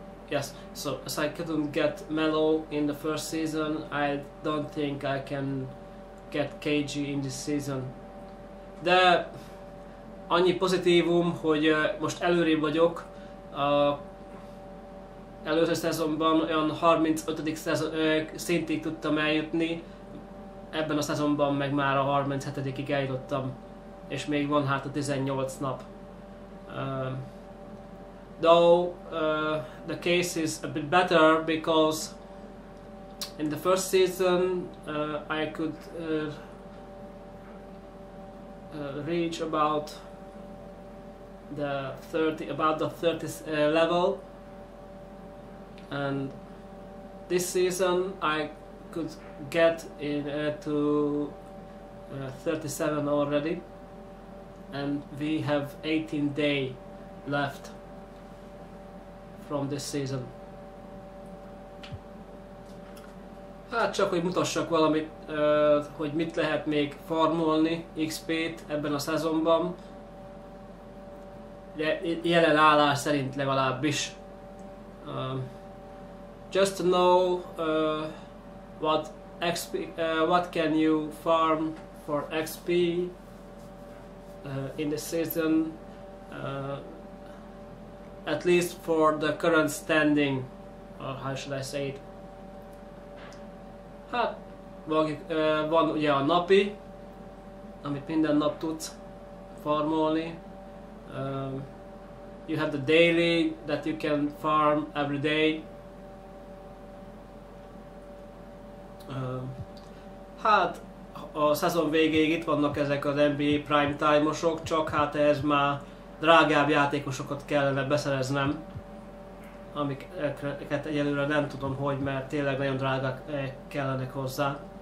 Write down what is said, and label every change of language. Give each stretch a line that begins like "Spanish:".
English: As I couldn't get Melo in the first season, I don't think I can get KG in this season.
Hungarian: De annyi pozitívum, hogy most előrébb vagyok. Előző szezonban olyan 35. szintig tudtam eljutni, ebben a szezonban meg már a 37-ig eljutottam, és még van hát a 18 nap.
English: Though the case is a bit better because in the first season I could reach about the 30th level, and this season I could get in to 37 already, and we have 18 day left from this season.
Hungarian: Hát csak hogy mutassak valamit, hogy mit lehet még farmolni XP-t ebben a szezonban. Jelen állás szerint legalábbis.
English: Just to know what XP, what can you farm for XP in this season. At least for the current standing, or how should I say it?
Hungarian: Hát, van ugye a napi, amit minden nap tudsz farmolni.
English: You have the daily that you can farm every day.
Hungarian: Hát a szezon végéig itt vannak ezek az NBA prime time-osok, csak hát ez már drágább játékosokat kellene beszereznem, amiket egyelőre nem tudom, hogy, mert tényleg nagyon drágák kellene hozzá.